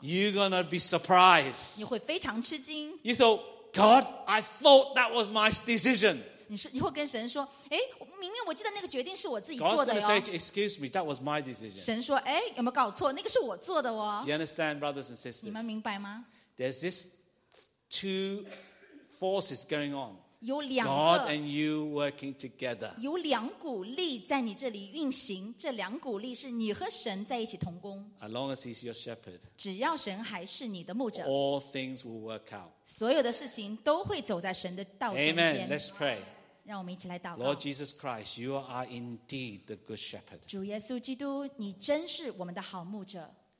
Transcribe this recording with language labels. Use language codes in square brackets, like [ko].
[en] You're going to be surprised. [zh] 你会非常吃惊。 [en] You thought, God, I thought that was my decision. [zh] 你会跟神说，哎，明明我记得那个决定是我自己做的哟。 [en] God's gonna say, "Excuse me, that was my decision." [zh] 神说，哎，有没有搞错？那个是我做的哦。 [en] Do you understand, brothers and sisters? [zh] 你们明白吗 [en] ？There's this two forces going on. [zh] 有两个, [en] God and you working together. [zh] 有两股力在你这里运行，这两股力是你和神在一起同工。 [en] As long as he's your shepherd. [zh] 只要神还是你的牧者。 [en] All things will work out. [zh] 所有的事情都会走在神的道中间。 [en] Amen. Let's pray. [zh] 让我们一起来祷告。 [en] Lord Jesus Christ, you are indeed the good shepherd. [zh] 主耶稣基督，你真是我们的好牧者。